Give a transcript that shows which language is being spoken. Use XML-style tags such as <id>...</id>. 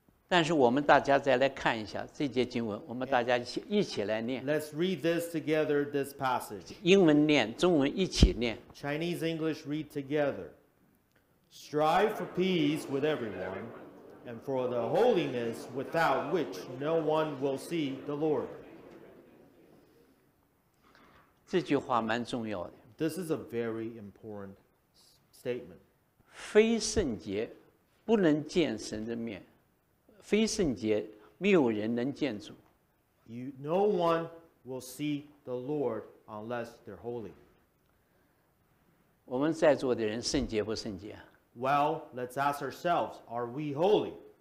<zh>但是我们大家再来看一下这节经文，我们大家一起来念。</zh> <en>Let's read this together, this passage.</en> <zh>英文念，中文一起念。</zh> <en>Chinese English read together. Strive for peace with everyone, and for the holiness without which no one will see the Lord.</en> <zh>这句话蛮重要的。</zh> <en>This is a very important statement.</en> <zh>非圣洁不能见神的面。非圣洁，没有人能见主。</zh> <en>No one will see the Lord unless they're holy.</en> <zh>我们在座的人圣洁不圣洁</zh> <en>？Well, let's ask ourselves: Are we holy?</en>